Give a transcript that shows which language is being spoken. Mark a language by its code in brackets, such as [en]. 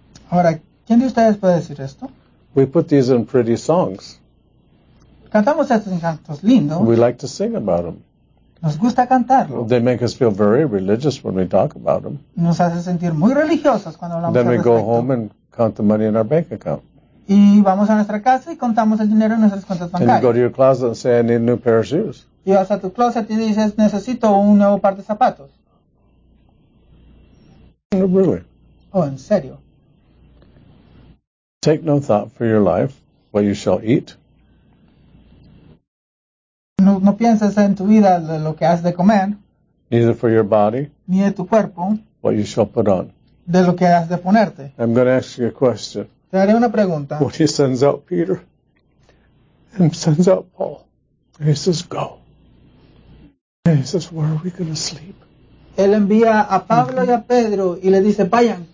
[es] Ahora, ¿quién de ustedes puede decir esto? [en] We put these in pretty songs. [es] Cantamos estos cantos lindos. [en] We like to sing about them. [es] Nos gusta cantarlo. [en] Well, they make us feel very religious when we talk about them. [es] Nos hace sentir muy religiosos cuando hablamos [en] then [es] al respecto. [en] Then we go home and count the money in our bank account. [es] Y vamos a nuestra casa y contamos el dinero en nuestras cuentas bancarias. [en] And you go to your closet and say, I need a new pair of shoes. [es] Y vas a tu closet y dices, necesito un nuevo par de zapatos. [en] No, really. [es] Oh, ¿en serio? [en] Take no thought for your life, what you shall eat. [es] No pienses en tu vida de lo que has de comer. [en] Neither for your body. [es] Ni de tu cuerpo. [en] What you shall put on. [es] De lo que has de ponerte. [en] I'm going to ask you a question. [es] Te haré una pregunta. [en] When he sends out Peter and sends out Paul, and he says, go. And he says, where are we going to sleep? [es] Él envía a Pablo y a Pedro y le dice, vayan.